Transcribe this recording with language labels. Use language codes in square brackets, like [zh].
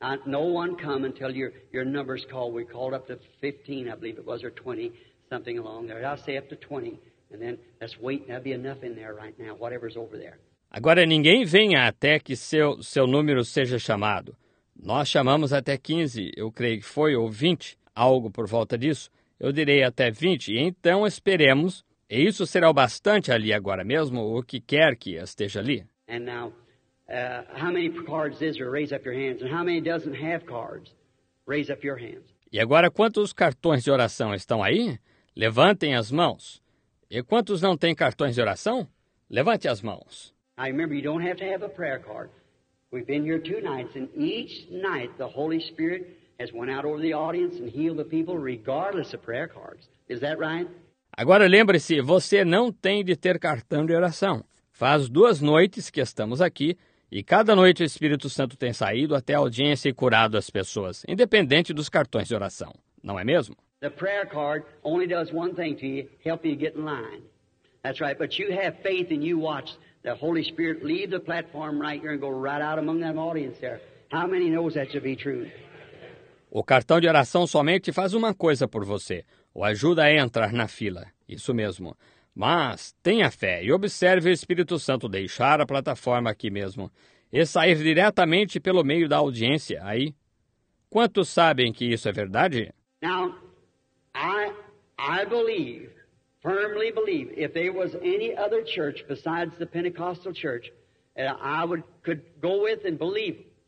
[en] No one come until your numbers call. We called up to 15, I believe it was, or 20, something along there. I'll say up to 20, and then let's wait. There'll be enough in there right now, whatever's over there. [pt] Agora ninguém venha até que seu número seja chamado. Nós chamamos até 15, eu creio que foi, ou 20, algo por volta disso. Eu direi até 20, e então esperemos, e isso será o bastante ali agora mesmo, o que quer que esteja ali. [en] And now, how many cards is there? Raise up your hands. And how many doesn't have cards? Raise up your hands. [pt] E agora, quantos cartões de oração estão aí? Levantem as mãos. E quantos não têm cartões de oração? Levante as mãos. [en] I remember, you don't have to have a prayer card. We've been here two nights, and each night the Holy Spirit has went out over the audience and healed the people regardless of prayer cards. Is that right? [pt] Agora lembre-se, você não tem de ter cartão de oração. Faz duas noites que estamos aqui e cada noite o Espírito Santo tem saído até a audiência e curado as pessoas, independente dos cartões de oração. Não é mesmo? [en] The prayer card only does one thing to you, help you get in line. That's right, but you have faith and you watch the Holy Spirit leave the platform right here and go right out among that audience there. How many knows that to be true? [pt] O cartão de oração somente faz uma coisa por você, o ajuda a entrar na fila, isso mesmo. Mas tenha fé e observe o Espírito Santo deixar a plataforma aqui mesmo e sair diretamente pelo meio da audiência aí. Quantos sabem que isso é verdade? [en] Now, I believe, firmly believe, if there was any other church besides the Pentecostal church, I would could go with and believe.